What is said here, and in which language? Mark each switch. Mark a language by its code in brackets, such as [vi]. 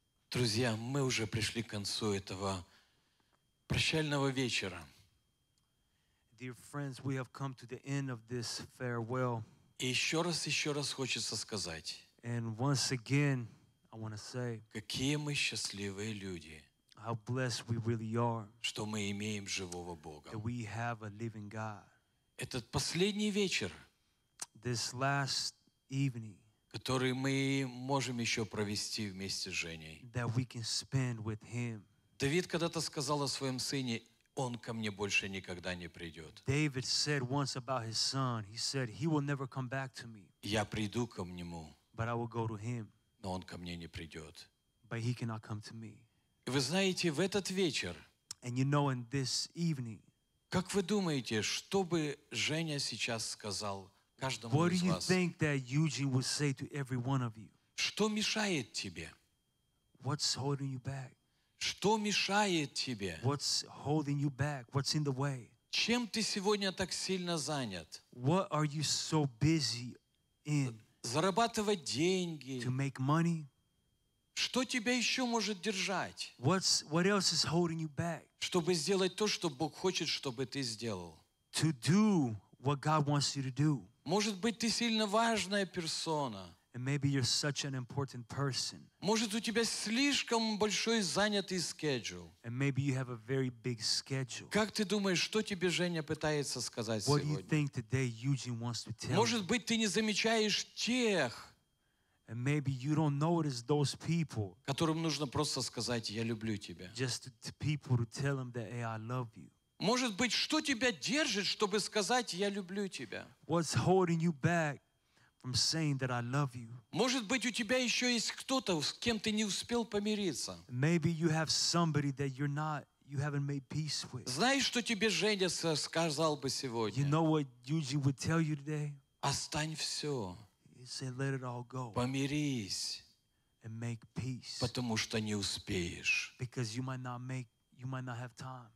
[ru] Друзья, мы уже пришли к концу этого прощального вечера. [en] Dear friends, we have come to the end of this farewell. [ru] И еще раз хочется сказать. [en] And once again, I want to say. [ru] Какие мы счастливые люди. [en] How blessed we really are. [ru] Что мы имеем живого Бога. [en] That we have a living God. [ru] Этот последний вечер. [en] This last evening. [ru] Который мы можем еще провести вместе с Женей. [en] That we can spend with him. [ru] Давид когда-то сказал о своем сыне, он ко мне больше никогда не придет. [en] David said once about his son, he said, he will never come back to me. [ru] Я приду к нему. [en] But I will go to him. [ru] Но он ко мне не придет. [en] But he cannot come to me. [ru] И вы знаете, в этот вечер, [en] and you know, in this evening, [ru] как вы думаете, что бы Женя сейчас сказал каждому из вас? [en] What do you think that Eugene would say to every one of you? [ru] Что мешает тебе? [en] What's holding you back? [ru] Что мешает тебе? [en] What's holding you back? What's in the way? [ru] Чем ты сегодня так сильно занят? [en] What are you so busy in? [ru] Зарабатывать деньги. [en] To make money? [ru] Что тебя еще может держать? [en] What else is holding you back? [ru] Чтобы сделать то, что Бог хочет, чтобы ты сделал. [en] To do what God wants you to do. [ru] Может быть, ты сильно важная персона. [en] And maybe you're such an important person. [ru] Может, у тебя слишком большой занятый schedule. [en] And maybe you have a very big schedule. [ru] Как ты думаешь, что тебе Женя пытается сказать [en] what [ru] сегодня? [en] What you think today Eugene wants to tell? [ru] Может быть, ты не замечаешь тех. [en] And maybe you don't notice those people. [ru] Которым нужно просто сказать, я люблю тебя. [en] Just to people to tell them that hey, I love you. [ru] Может быть, что тебя держит, чтобы сказать, я люблю тебя? [en] What's holding you back from saying that I love you? [ru] Может быть, у тебя еще есть кто-то, с кем ты не успел помириться? [en] Maybe you have somebody that you haven't made peace with. [ru] Знаешь, что тебе Женя сказал бы сегодня? [en] You know what Eugene would tell you today? [ru] Остань все. [en] He'd say, let it all go. [ru] Помирись. [en] And make peace. [ru] Потому что не успеешь. [en] Because you might not make You might not have time.